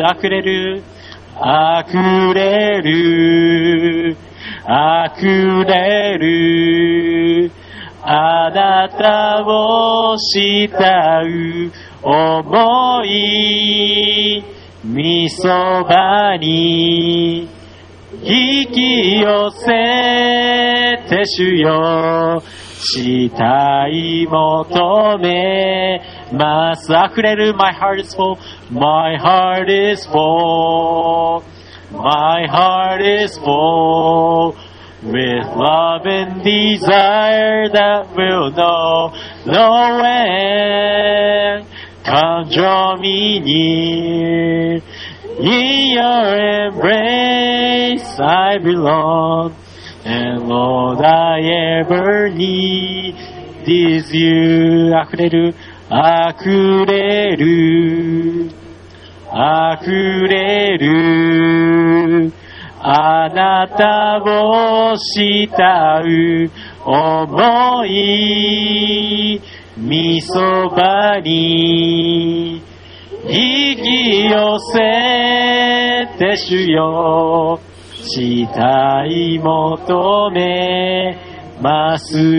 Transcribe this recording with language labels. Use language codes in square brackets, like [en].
[ja] あふれる、あふれる、あふれる、あなたを慕う思い、みそばに引き寄せて主よ、死体求めます。あふれる、 [en] My heart is full, My heart is full, My heart is full with love and desire that will know no end. Come draw me near, in your embrace I belong, and Lord I ever need is you. [ja] 溢れる、溢れる、溢れる、あなたを慕う思い、みそばに引き寄せて主よ、死体求めます。